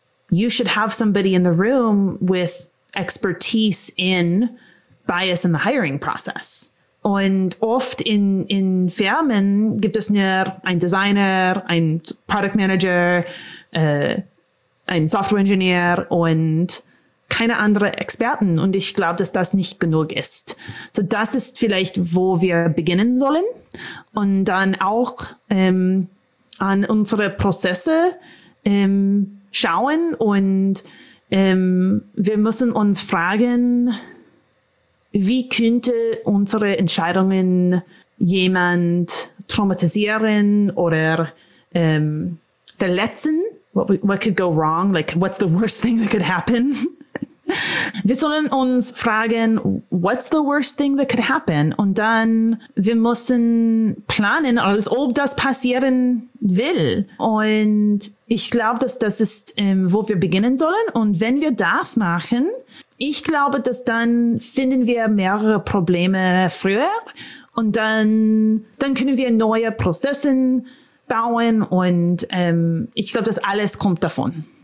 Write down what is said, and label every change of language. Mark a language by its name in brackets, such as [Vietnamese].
[English] You should have somebody in the room with expertise in bias in the hiring process. [German] Und oft in Firmen gibt es nur ein Designer, ein Product Manager, ein Software Engineer und keine anderen Experten. Und ich glaube, dass das nicht genug ist. So das ist vielleicht, wo wir beginnen sollen. Und dann auch an unsere Prozesse schauen. Und wir müssen uns fragen, wie könnte unsere Entscheidungen jemand traumatisieren oder verletzen? [English] What could go wrong? Like, what's the worst thing that could happen? [German] Wir sollen uns fragen, [English] what's the worst thing that could happen? [German] Und dann, wir müssen planen, als ob das passieren will. Und ich glaube, dass das ist, wo wir beginnen sollen. Und wenn wir das machen, ich glaube, dass dann finden wir mehrere Probleme früher und dann können wir neue Prozesse bauen und ich glaube, das alles kommt davon.